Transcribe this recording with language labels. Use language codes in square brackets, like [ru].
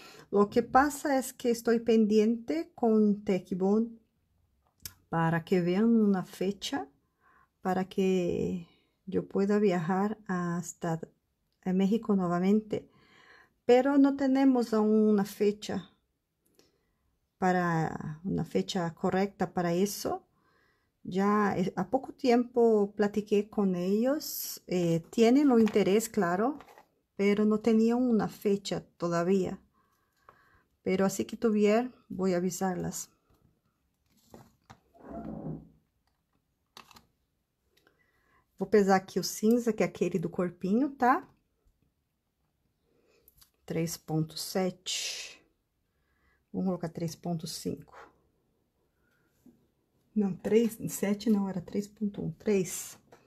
[pt] O que passa é que estou pendente com Tecbon para que vejam uma fecha para que eu possa viajar até México novamente. Pero não temos uma fecha para uma fecha correta para isso. [es] Ya a poco tiempo platiqué con ellos, tienen lo interés, claro, pero no tenían una fecha todavía. Pero así que tuvieron, voy a avisarlas. [pt] Vou pesar aqui o cinza, que é aquele do corpinho, tá? 3,7. Vamos colocar 3,5. Não, 3, 7 não, era 3,1, 3.